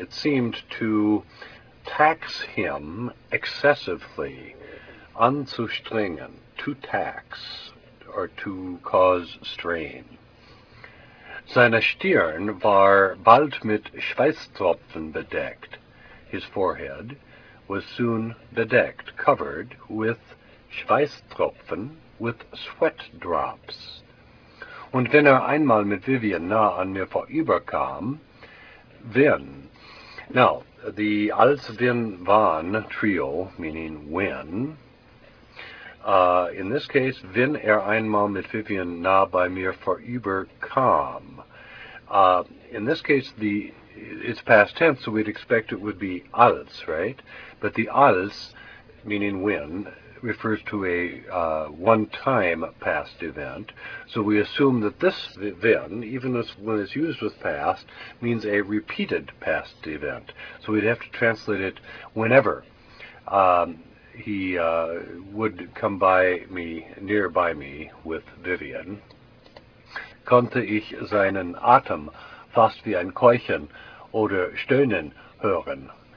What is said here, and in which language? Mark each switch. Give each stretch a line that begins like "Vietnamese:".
English: It seemed to tax him excessively, anzustrengen, to tax, or to cause strain.
German: Seine Stirn war bald mit Schweißtropfen bedeckt.
English: His forehead was soon bedeckt, covered with Schweißtropfen, with sweat drops.
German: Und wenn einmal mit Vivian nah an mir vorüberkam, wenn.
English: Now, the als, wenn, wann trio, meaning when, in this case,
German: wenn einmal mit Vivian nah bei mir vorüberkam.
English: In this case, it's past tense, so we'd expect it would be als, right? But the als, meaning when, refers to a one-time past event, so we assume that this then, even as when it's used with past, means a repeated past event. So we'd have to translate it whenever he would come by me, nearby me, with Vivian.
German: Konnte ich seinen Atem fast wie ein Keuchen oder Stöhnen hören?